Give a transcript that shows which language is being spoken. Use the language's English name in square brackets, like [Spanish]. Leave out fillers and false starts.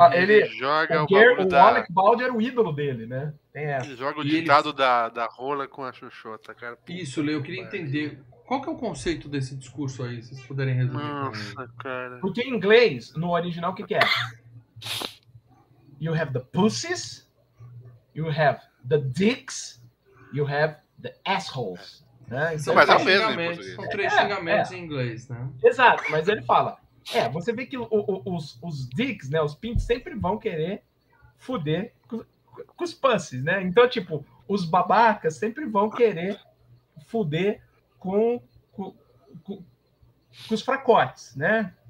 [Portuguese] ele joga o Alec Baldwin era o ídolo dele, né? Ele joga o ditado da rola com a xoxota, cara. Puta, isso, Leo, eu queria entender... Qual que é o conceito desse discurso aí, se vocês puderem resumir? Nossa, cara. Porque em inglês, no original, o que que é? [English] You have the pussies, you have the dicks, you have the assholes. [Portuguese] Né? Então, mas é o mesmo em português. São três xingamentos em inglês, né? Exato, mas ele fala. É, você vê que os dicks, né, os pintos, sempre vão querer foder com os pussies, né? Então, tipo, os babacas sempre vão querer foder com os fracotes, né?